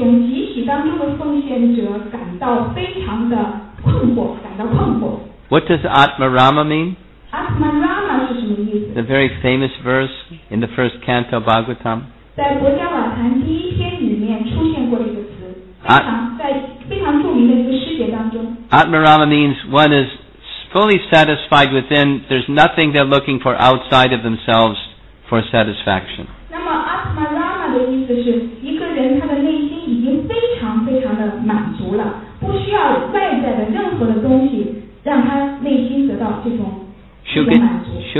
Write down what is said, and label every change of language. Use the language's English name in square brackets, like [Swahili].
[Chinese] 种集体当中的奉献者感到非常的困惑，感到困惑。 [English] What does Atmarama mean? [Chinese] Atmarama 是什么意思？ [English] The very famous verse in the first canto of Bhagavatam. [Chinese] 在国家瓦坛第一篇里面出现过这个词，非常著名的一个诗节当中。 [English] Atmarama means one is fully satisfied within. There's nothing they're looking for outside of themselves for satisfaction. [Chinese] 那么 Atmarama 的意思是一个人他的内心已经非常非常的满足了，不需要外在的任何的东西让他内心得到这种满足。